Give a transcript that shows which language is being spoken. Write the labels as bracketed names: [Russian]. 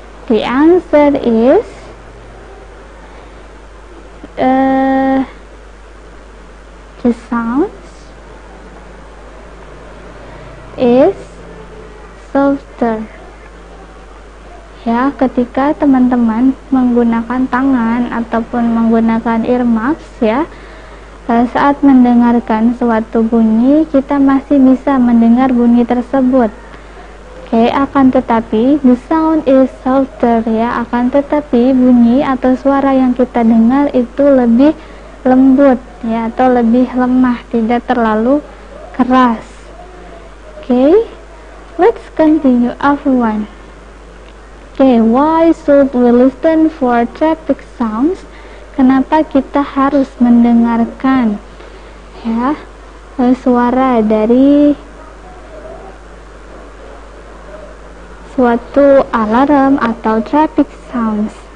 [English] The answer is the sounds is softer ya. [Indonesian] Ketika teman-teman menggunakan tangan ataupun menggunakan earmuffs ya, saat mendengarkan suatu bunyi, kita masih bisa mendengar bunyi tersebut. [English] Okay, [Indonesian] akan tetapi [English] the sound is softer ya. [Indonesian] Akan tetapi bunyi atau suara yang kita dengar itu lebih lembut ya, atau lebih lemah, tidak terlalu keras. [English] Okay, let's continue everyone. Okay, why should we listen for traffic sounds? [Indonesian] Kenapa kita harus mendengarkan ya suara dari suatu alarm atau [English] traffic sounds?